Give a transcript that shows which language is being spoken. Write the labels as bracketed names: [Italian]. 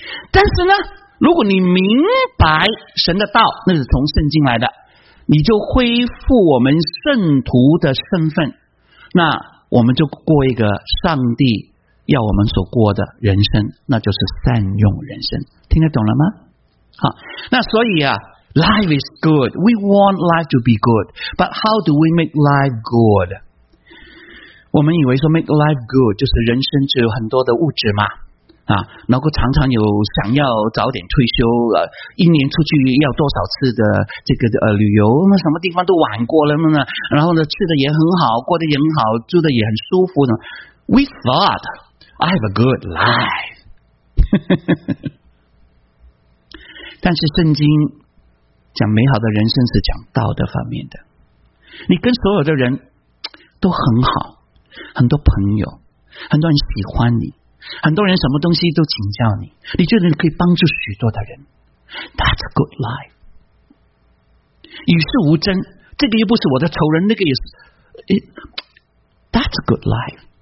[Chinese] 但是呢，如果你明白神的道，那是从圣经来的，你就恢复我们圣徒的身份，那我们就过一个上帝要我们所过的人生，那就是善用人生。听得懂了吗？好，那所以啊， [English] Life is good. We want life to be good. But how do we make life good? [Chinese] 我们以为说 [English] make life good [Chinese] 就是人生只有很多的物质嘛，啊，能够常常有想要早点退休，一年出去要多少次的这个旅游，那什么地方都玩过了呢？然后呢，吃的也很好，过得也很好，住的也很舒服呢。 [English] We thought I have a good life. [Chinese] 但是圣经讲美好的人生是讲道德方面的，你跟所有的人都很好，很多朋友，很多人喜欢你，很多人什么东西都请教你，你觉得你可以帮助许多的人， [English] That's a good life. [Chinese] 与世无争，这个又不是我的仇人，那个也是， That's a good life.